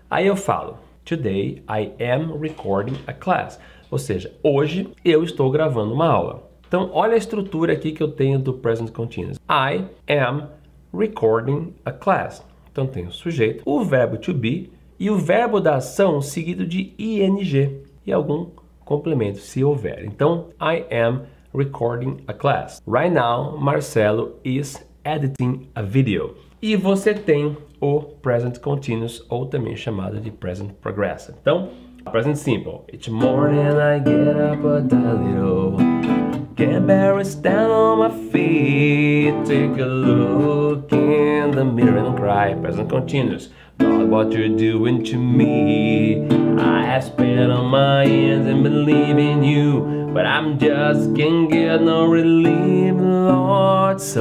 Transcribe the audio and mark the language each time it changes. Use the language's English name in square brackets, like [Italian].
[Portuguese] Aí eu falo, [English] today I am recording a class. [Portuguese] Ou seja, hoje eu estou gravando uma aula. Então, olha a estrutura aqui que eu tenho do present continuous. [English] I am recording a class. [Portuguese] Então, tenho o sujeito, o verbo to be e o verbo da ação seguido de ing e algum complemento, se houver. Então, [English] I am recording a class. Right now, Marcelo is editing a video. [Portuguese] E você tem o present continuous, ou também chamado de present progressive. Então, present simple. [English] Each morning I get up a little, can barely stand on my feet, take a look in the mirror and cry. Present continuous. God, what you're doing to me? I have spent all my years in believing you, but I'm just can't get no relief, Lord.